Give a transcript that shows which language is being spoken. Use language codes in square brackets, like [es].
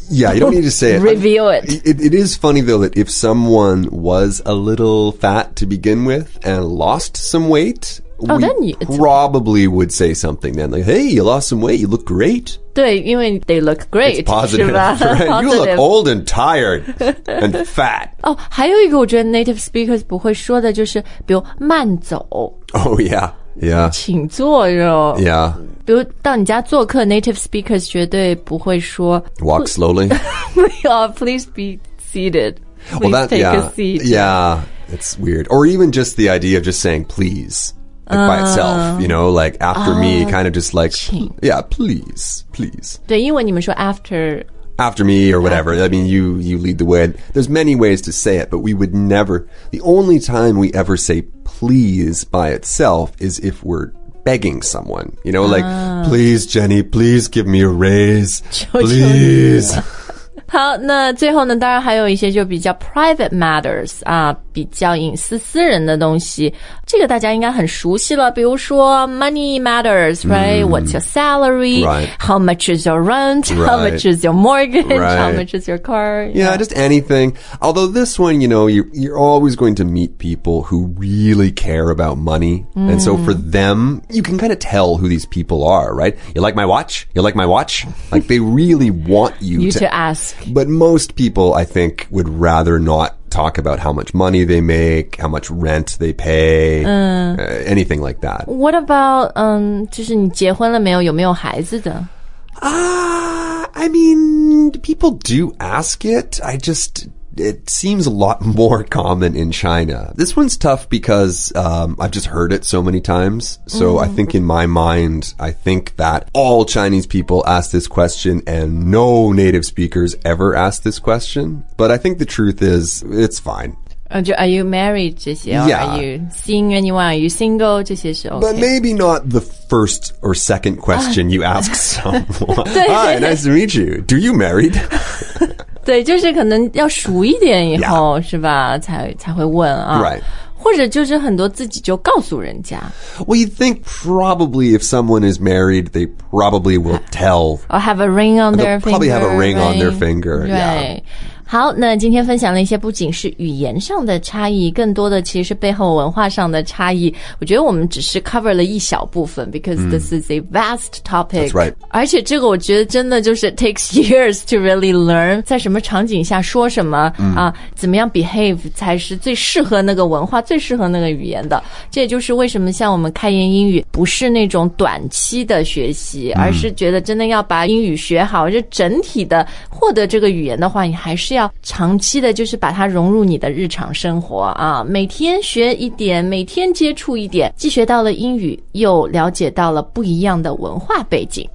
[en] Yeah, you don't need to say it. Reveal it. It is funny though that if someone was a little fat to begin with and lost some weightWe probably would say something then, like, hey, you lost some weight, you look great. [zh] 对因为 [en] they look great. It's positive, right? You look old and tired and fat. [zh] 哦还有一个我觉得 native speakers 不会说的就是比如慢走。 [en] Oh, yeah, yeah. [zh] 请坐哟。 [en] Yeah. [zh] 比如到你家做客 native speakers 绝对不会说。 [en] Walk slowly. please be seated. Please well, take yeah, a seat. Yeah, it's weird. Or even just the idea of just saying please. Like by itself, you know, like after me, kind of just like, yeah, please, please. [zh] 对英文你们说 after. [en] After me or whatever. I mean, you lead the way. There's many ways to say it, but we would never, the only time we ever say please by itself is if we're begging someone, you know, like, please, Jenny, please give me a raise. Please. [zh] 好那最后呢当然还有一些就比较 private matters, 啊比较隐私私人的东西。这个大家应该很熟悉了比如说 [en] money matters, right? What's your salary? Right. How much is your rent? Right. How much is your mortgage? Right. How much is your car? Yeah, just anything. Although this one, you know, you're always going to meet people who really care about money. And so for them, you can kind of tell who these people are, right? You like my watch? You like my watch? Like they really want you to ask. But most people, I think, would rather not talk about how much money they make, how much rent they pay, anything like that. What about, [zh] 就是你结婚了没有？有没有孩子的？ [en] I mean, people do ask it. It seems a lot more common in China. This one's tough because I've just heard it so many times. So I think in my mind, I think that all Chinese people ask this question and no native speakers ever ask this question. But I think the truth is, it's fine. Are you married? 这些 yeah. Are you seeing anyone? Are you single? 这些是 OK. But maybe not the first or second question you ask someone. Hi, nice to meet you. Do you married? [zh] 对就是可能要熟一点以后、yeah. 是吧才会问啊。 [en] Right. [zh] 或者就是很多自己就告诉人家。 [en] Well, you think probably if someone is married, they probably will tell. Or have a ring on their finger. Probably have a ring on their finger. Right. Yeah. [zh] 好，那今天分享了一些不仅是语言上的差异，更多的其实是背后文化上的差异。我觉得我们只是 cover 了一小部分 [en] because this is a vast topic. That's right. [zh] 而且这个我觉得真的就是 [en] takes years to really learn [zh] 在什么场景下说什么、啊、怎么样 behave 才是最适合那个文化，最适合那个语言的。这也就是为什么像我们开言英语不是那种短期的学习、而是觉得真的要把英语学好，就整体的获得这个语言的话，你还是要长期的，就是把它融入你的日常生活啊，每天学一点，每天接触一点，既学到了英语，又了解到了不一样的文化背景。